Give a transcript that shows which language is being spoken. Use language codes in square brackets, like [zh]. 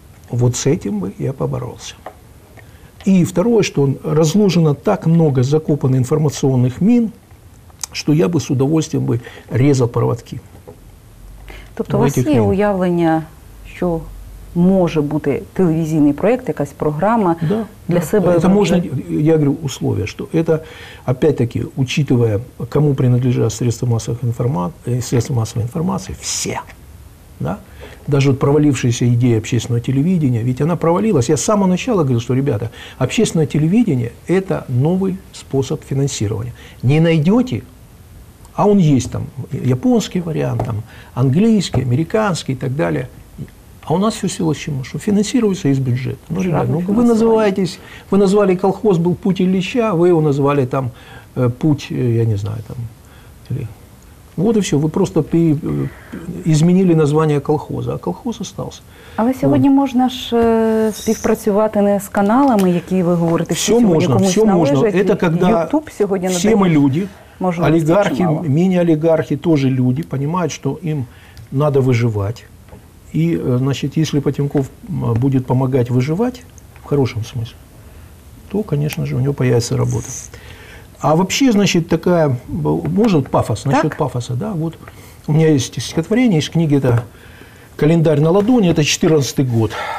[ru] Вот с этим бы я поборолся. И второе, что разложено так много закопанных информационных мин, что я бы с удовольствием бы резал проводки. То есть у вас есть уявление, что [uk] може бути телевізійний проєкт, якась програма для себе. Це можна, [ru] я говорю, условия, [uk] що це, [ru] опять-таки, учитывая, кому принадлежать средства массовой информации, все. Да? Даже вот провалившаяся идея общественного телевидения, ведь она провалилась. Я с самого начала говорил, что, ребята, общественное телевидение – это новый способ финансирования. Не найдете, а он есть там, японский вариант, там, английский, американский и так далее. А у нас все село с чем? Что финансируется из бюджета. Ну, ребята, ну, вы называетесь, вы назвали колхоз был «Путь Ильича», вы его назвали там «Путь», я не знаю, там, или... Вот и все. [uk] Ви просто змінили названня колхозу, а колхоз остався. Але сьогодні можна ж співпрацювати не з каналами, які ви говорите, що сьогодні комусь належить. Все можна. Ютуб сьогодні надає. Все ми люди, олігархи, міні-олігархи теж люди, розуміють, що їм треба виживати. І, значить, якщо Потемков буде допомагати виживати, в хорошому сенсі, то, звісно, у нього з'явиться робота. [ru] А вообще, значит, такая, можно пафос, насчет так? пафоса, да, вот у меня есть стихотворение из книги, это «Календарь на ладони», это 14-й год.